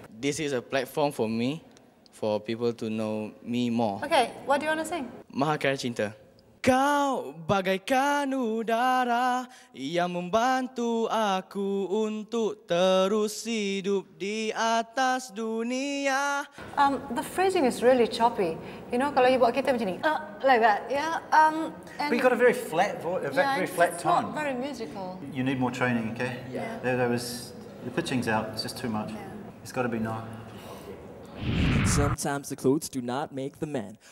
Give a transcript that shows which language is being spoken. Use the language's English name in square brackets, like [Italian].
[English] This is a platform for me, for people to know me more. Okay, what do you want to sing? [Malay] Mahakarya Cinta. Kau bagaikan udara yang membantu aku untuk terus hidup di atas dunia. [English] The phrasing is really choppy. You know, [Malay] kalau you buat kita macam ni, [English] like that, yeah. But you got a very flat voice, very flat it's tone. Not very musical. You need more training, okay? Yeah. The pitching's out, it's just too much. Yeah. It's got to be now. Sometimes the clothes do not make the man.